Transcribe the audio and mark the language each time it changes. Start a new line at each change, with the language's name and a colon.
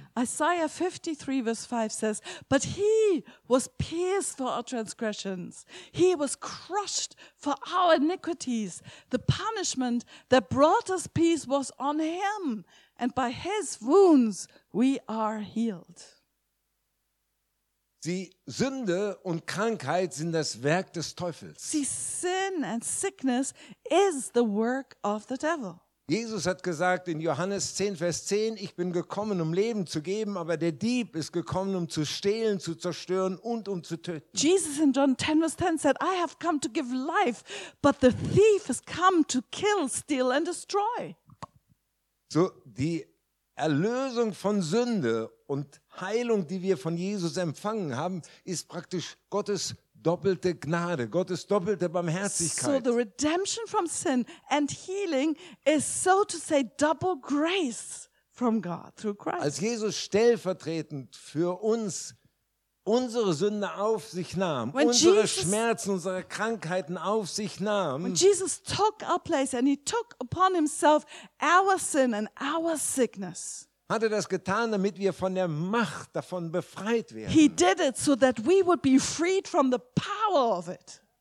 English: Isaiah 53, Vers 5 says, but he was pierced for our transgressions. He was crushed for our iniquities. The punishment that brought us peace was on him. And by his wounds we are healed.
German: Die Sünde und Krankheit sind das Werk des Teufels.
English: See, sin and sickness is the work of the devil.
German: Jesus hat gesagt in Johannes 10, Vers 10, ich bin gekommen, um Leben zu geben, aber der Dieb ist gekommen, um zu stehlen, zu zerstören und um zu töten.
English: Jesus in John 10, Vers 10 said, I have come to give life, but the thief has come to kill, steal and destroy.
German: So, die Erlösung von Sünde und Heilung, die wir von Jesus empfangen haben, ist praktisch Gottes doppelte Gnade, Gottes doppelte Barmherzigkeit.
English: So the redemption from sin and healing is so to say double grace from God through Christ.
German: Als Jesus stellvertretend für uns unsere Sünde auf sich nahm, Schmerzen, unsere Krankheiten auf sich nahm.
English: When Jesus took our place and he took upon himself our sin and our sickness.
German: Hat er das getan, damit wir von der Macht davon befreit werden?
English: He did it so that we would be freed from the power of it.